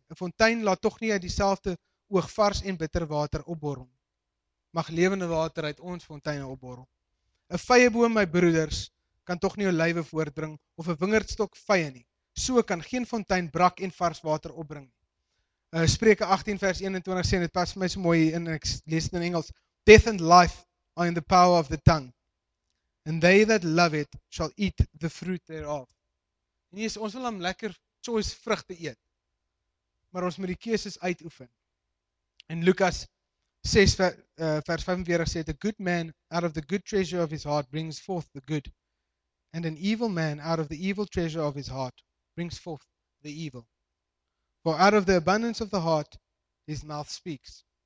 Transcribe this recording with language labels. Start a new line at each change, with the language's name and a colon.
Afrikaans: 'N fontein laat tog nie uit dieselfde oog vars en bitter water opborrel. Mag lewende water uit ons fonteine opborrel. 'N vye boom, my broeders, kan tog nie olywe voortbring of 'n wingerdstok vye nie. So kan geen fontein brak en vars water opbring. Spreuke 18 vers 21 sê, en dit pas vir my so mooi in, ek lees dit in Engels,
English: death and life are in the power of the tongue, and they that love it shall eat the fruit thereof.
Afrikaans: En jy is, ons wil hom lekker choice vrugte eet, maar ons moet die keuses uitoefen. En Lukas 6 vers 45 sê,
English: a good man out of the good treasure of his heart brings forth the good, and an evil man out of the evil treasure of his heart brings forth the evil. For out of the abundance of the heart, his mouth speaks.